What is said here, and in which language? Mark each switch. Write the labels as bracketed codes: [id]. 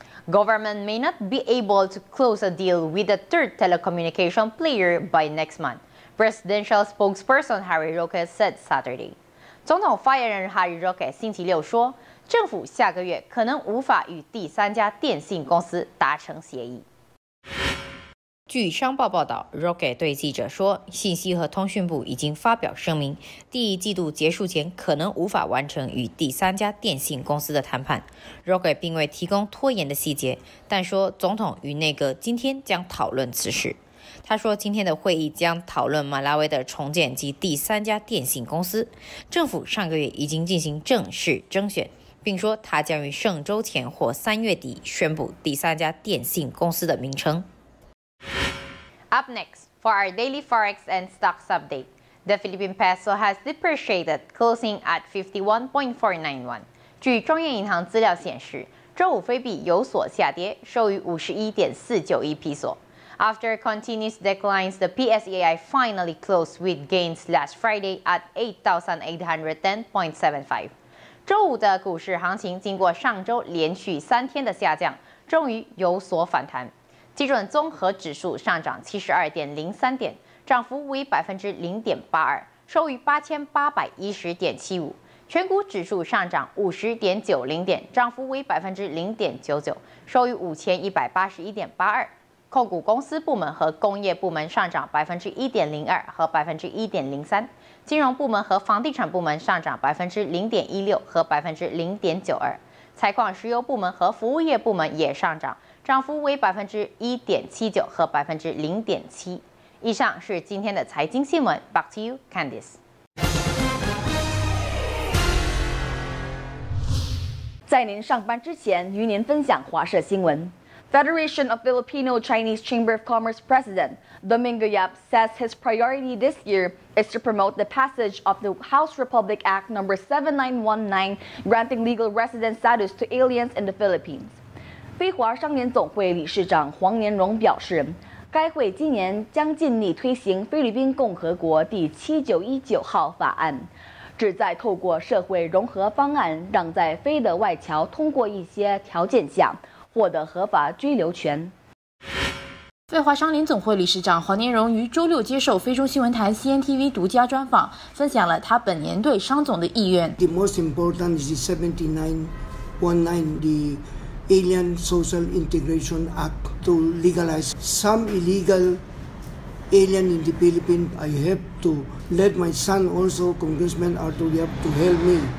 [en] Government may not be able to close a deal with the third telecommunication player by next month, Presidential spokesperson Harry Roque said Saturday. [zh] 总统发言人哈里·若克星期六说，政府下个月可能无法与第三家电信公司达成协议。据商报报道，若克对记者说，信息和通讯部已经发表声明，第一季度结束前可能无法完成与第三家电信公司的谈判。若克并未提供拖延的细节，但说总统与内阁今天将讨论此事。他说今天的会议将讨论马拉维的重建及第三家电信公司。政府上个月已经进行正式征选，并说他将于上周前或三月底宣布第三家电信公司的名称。 [en] Up next, for our daily Forex and Stocks update, the Philippine peso has depreciated, closing at 51.491. [zh] 据中央银行资料显示，周五菲币有所下跌，收于 51.491 peso。 [en] After continuous declines, the PSEI finally closed with gains last Friday at 8,810.75. [zh] 周五的股市行情经过上周连续三天的下降，终于有所反弹。基准综合指数上涨72.03点，涨幅为0.82%，收于8,810.75。全股指数上涨50.90点，涨幅为0.99%，收于5,181.82。控股公司部门和工业部门上涨1.02%和1.03%，金融部门和房地产部门上涨0.16%和0.92%，采矿石油部门和服务业部门也上涨，涨幅为1.79%和0.7%。以上是今天的财经新闻 ， [en] Back to you, Candice。 [zh] 在您上班之前，与您分享华社新闻。 [en] Federation of Filipino Chinese Chamber of Commerce President Domingo Yap says his priority this year is to promote the passage of the House Republic Act No. 7919, granting legal resident status to aliens in the Philippines. [zh] 非华商联总会理事长黄年荣表示，该会今年将尽力推行菲律宾共和国第7919号法案。旨在透过社会融合方案，让在菲的外侨通过一些条件下获得合法居留权。在华商联总会理事长黄年荣于周六接受非洲新闻台 CNTV 独家专访，分享了他本年对商总的意愿。 [en] The most important is the 7919, the Alien Social Integration Act to legalize some illegal alien in the Philippines. I have to let my son also, Congressman Arturo Yap, to help me.